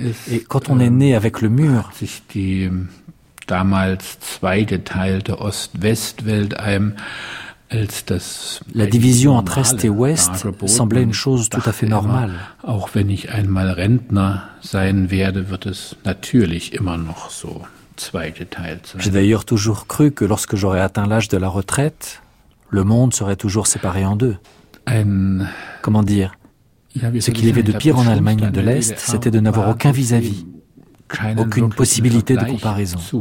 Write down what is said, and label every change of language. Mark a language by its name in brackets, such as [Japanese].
[French] Et quand on est né avec le mur, la division entre Est et Ouest semblait une chose tout à fait normale. [German] Auch wenn ich einmal Rentner sein werde, wird es natürlich immer noch so zweigeteilt sein. [French] J'ai d'ailleurs toujours cru que lorsque j'aurais atteint l'âge de la retraite, le monde serait toujours séparé en deux. Comment dire ? Ce qu'il y avait de pire en Allemagne de l'Est, c'était de n'avoir aucun vis-à-vis, aucune possibilité de comparaison.